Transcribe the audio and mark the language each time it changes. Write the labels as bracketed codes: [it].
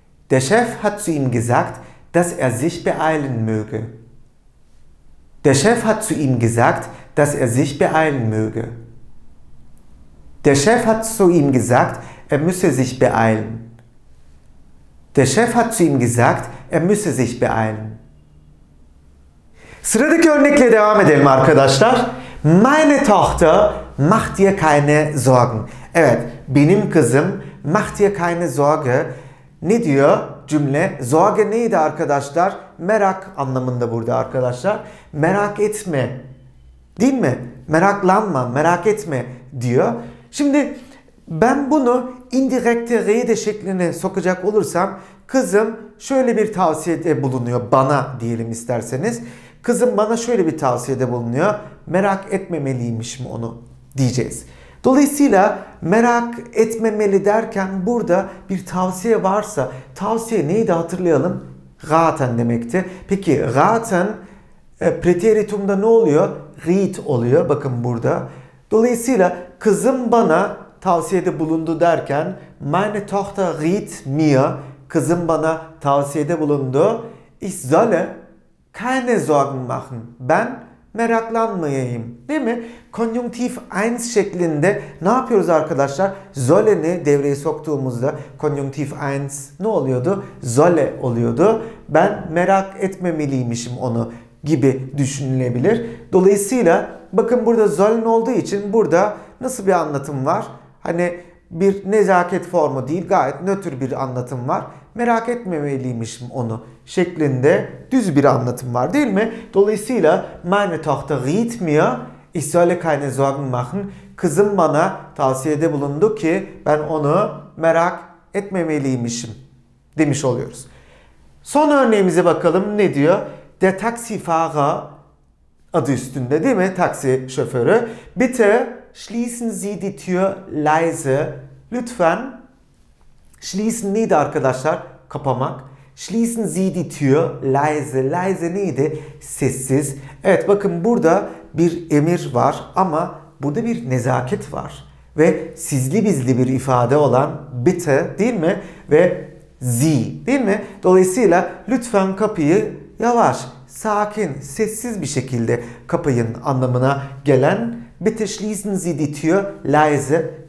[de] Der Chef hat zu ihm gesagt, dass er sich beeilen möge. Der Chef hat zu ihm gesagt, dass er sich beeilen möge. Der Chef hat zu ihm gesagt, er müsse sich beeilen. Der Chef hat zu ihm gesagt, er müsse sich beeilen. [tr] Sıradaki örnekle devam edelim arkadaşlar. [de] Meine Tochter macht dir keine Sorgen. [tr] Evet, benim kızım [de] macht dir keine Sorge. [tr] Ne diyor cümle? Sorge neydi arkadaşlar? Merak anlamında burada arkadaşlar. Merak etme. Değil mi? Meraklanma, merak etme diyor. Şimdi ben bunu indirekte rede şekline sokacak olursam kızım şöyle bir tavsiyede bulunuyor bana diyelim isterseniz. Kızım bana şöyle bir tavsiyede bulunuyor. Merak etmemeliymişim onu diyeceğiz. Dolayısıyla merak etmemeli derken burada bir tavsiye varsa, tavsiye neydi hatırlayalım? Raten demekti. Peki raten preteritumda ne oluyor? Read oluyor bakın burada. Dolayısıyla kızım bana tavsiyede bulundu derken [de] meine Tochter riet mir, [tr] kızım bana tavsiyede bulundu. [de] Ich solle keine Sorgen machen. [tr] Ben meraklanmayayım. Değil mi? Konjunktiv 1 şeklinde ne yapıyoruz arkadaşlar? Solle'ni devreye soktuğumuzda konjunktiv 1 ne oluyordu? Solle oluyordu. Ben merak etmemeliymişim onu gibi düşünülebilir. Dolayısıyla bakın burada sollen olduğu için burada nasıl bir anlatım var? Hani bir nezaket formu değil, gayet nötr bir anlatım var. Merak etmemeliymişim onu şeklinde düz bir anlatım var değil mi? [de] Dolayısıyla meine Tochter riet mir, ich solle keine Sorgen machen. [tr] Kızım bana tavsiyede bulundu ki ben onu merak etmemeliymişim demiş oluyoruz. Son örneğimize bakalım ne diyor? [de] Der Taxifahrer [tr] adı üstünde değil mi? Taksi şoförü. [de] Bitte schließen Sie die Tür leise. [tr] Lütfen. Schließen neydi arkadaşlar? Kapamak. [de] Schließen Sie die Tür leise. [tr] Leise neydi? Sessiz. Evet, bakın burada bir emir var ama burada bir nezaket var. Ve sizli bizli bir ifade olan bitte değil mi? Ve Sie değil mi? Dolayısıyla lütfen kapıyı yavaş, sakin, sessiz bir şekilde kapayın anlamına gelen [de] bitte schließen Sie die Tür leise.